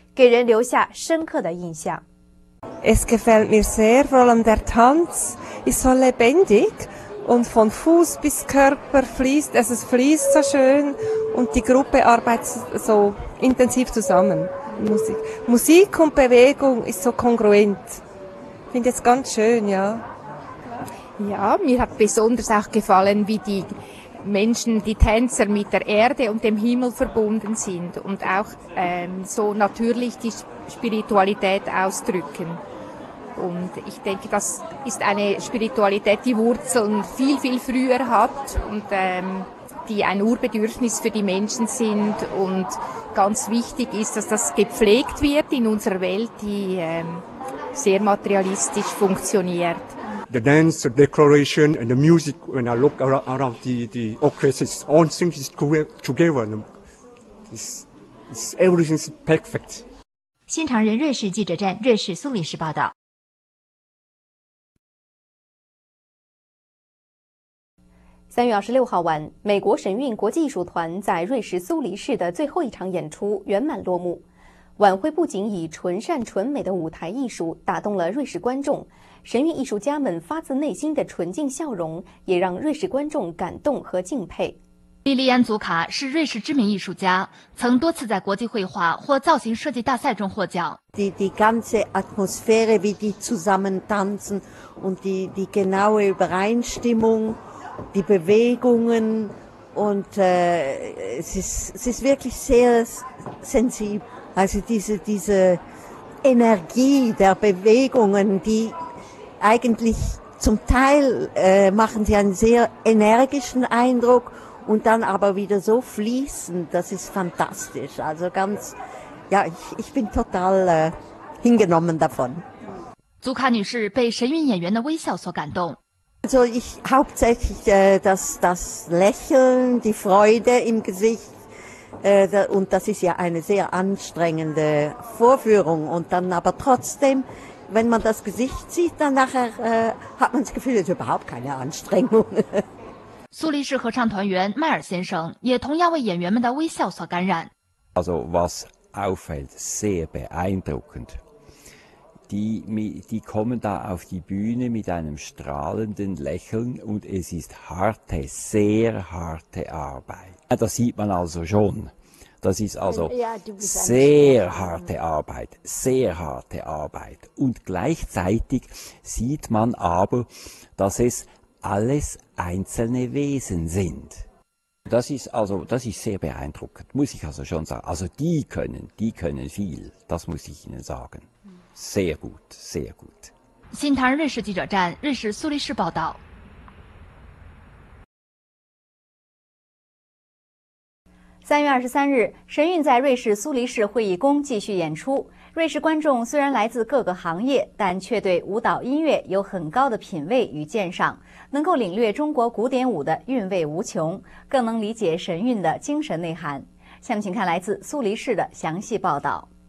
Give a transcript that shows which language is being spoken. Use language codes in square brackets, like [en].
[zh] 一向拘谨的瑞士观众一反往日的矜持，纷纷起立鼓掌，表达对神韵艺术家们由衷的感激。瑞士观众赞美神韵晚会一切都完美壮观，与天地融合在一起，给人留下深刻的印象。 [de] Es gefällt mir sehr, vor allem der Tanz ist so lebendig und von Fuß bis Körper fließt, also es fließt so schön und die Gruppe arbeitet so intensiv zusammen. Musik und Bewegung ist so kongruent. Ich finde es ganz schön, ja. Ja, mir hat besonders auch gefallen, wie die Menschen, die Tänzer mit der Erde und dem Himmel verbunden sind und auch so natürlich die Spiritualität ausdrücken. Und ich denke, das ist eine Spiritualität, die Wurzeln viel, viel früher hat und die ein Urbedürfnis für die Menschen sind und ganz wichtig ist, dass das gepflegt wird in unserer Welt, die sehr materialistisch funktioniert. [en] The dance, the decoration and the music, when I look around the orchestra, it's all things is together. It's everything is perfect. [zh] 新唐人瑞士记者站，瑞士苏黎世报道。 3月26号晚， 美国神韵国际艺术团在瑞士苏黎世的最后一场演出圆满落幕。晚会不仅以纯善纯美的舞台艺术打动了瑞士观众，神韵艺术家们发自内心的纯净笑容也让瑞士观众感动和敬佩。莉莉安·祖卡是瑞士知名艺术家，曾多次在国际绘画或造型设计大赛中获奖。 [de] Die ganze Atmosphäre, wie die zusammen tanzen und die genaue Übereinstimmung. Die Bewegungen und es ist wirklich sehr sensibel. Also diese Energie der Bewegungen, die eigentlich zum Teil machen sie einen sehr energischen Eindruck und dann aber wieder so fließend, das ist fantastisch. Also ganz, ja, ich bin total hingenommen davon. [zh] 祖卡女士被神韵演员的微笑所感动。 [de] Also ich hauptsächlich das Lächeln, die Freude im Gesicht und das ist ja eine sehr anstrengende Vorführung und dann aber trotzdem, wenn man das Gesicht sieht, dann nachher hat man das Gefühl, es ist überhaupt keine Anstrengung. [zh] 苏黎世合唱团员迈尔先生也同样为演员们的微笑所感染。 [de] Also was auffällt, sehr beeindruckend. Die kommen da auf die Bühne mit einem strahlenden Lächeln und es ist harte, sehr harte Arbeit. Das sieht man also schon. Das ist also sehr harte Arbeit, sehr harte Arbeit. Und gleichzeitig sieht man aber, dass es alles einzelne Wesen sind. Das ist sehr beeindruckend, muss ich also schon sagen. Also die können viel, das muss ich Ihnen sagen. Sehr gut, sehr gut. [zh] 新唐人瑞士记者站，瑞士苏黎世报道。 3月23日， 神韵在瑞士苏黎世会议宫继续演出。瑞士观众虽然来自各个行业，但却对舞蹈音乐有很高的品味与鉴赏，能够领略中国古典舞的韵味无穷，更能理解神韵的精神内涵。下面请看来自苏黎世的详细报道。